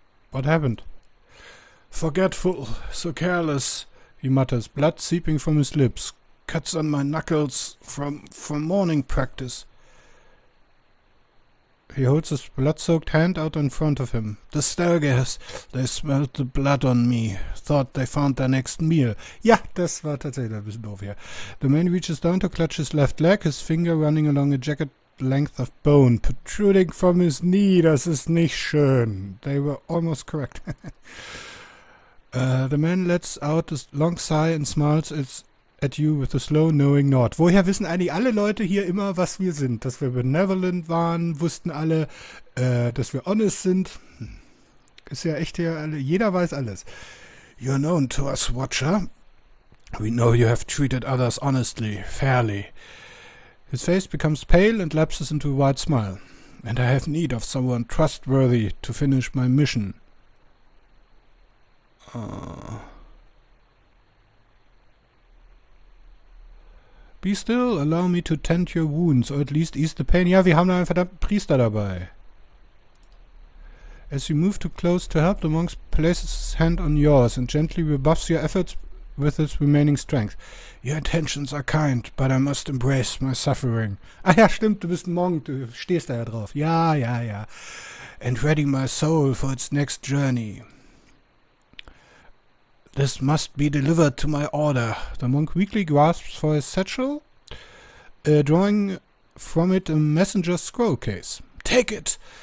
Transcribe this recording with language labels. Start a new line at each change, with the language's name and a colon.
English: What happened? Forgetful, so careless, he mutters, blood seeping from his lips. Cuts on my knuckles from morning practice. He holds his blood-soaked hand out in front of him. The Stelgeiers, they smelled the blood on me, thought they found their next meal.
German: Ja, das war tatsächlich ein bisschen doof hier.
English: The man reaches down to clutch his left leg, his finger running along a jagged length of bone, protruding from his knee.
German: Das ist nicht schön.
English: They were almost correct. The man lets out a long sigh and smiles at you with a slow, knowing nod.
German: Woher wissen eigentlich alle Leute hier immer, was wir sind? Dass wir benevolent waren, wussten alle, dass wir honest sind. Ist ja echt hier alle. Jeder weiß alles.
English: You're known to us, Watcher. We know you have treated others honestly, fairly. His face becomes pale and lapses into a wide smile. And I have need of someone trustworthy to finish my mission. Be still, allow me to tend your wounds, or at least ease the pain.
German: Ja, wir haben da einen verdammten Priester dabei.
English: As you move too close to help, the monk places his hand on yours and gently rebuffs your efforts with his remaining strength. Your intentions are kind, but I must embrace my suffering.
German: Ah ja, stimmt, du bist ein Monk, du stehst da ja drauf. Ja.
English: And ready my soul for its next journey. This must be delivered to my order. The monk weakly grasps for his satchel, drawing from it a messenger's scroll case. Take it.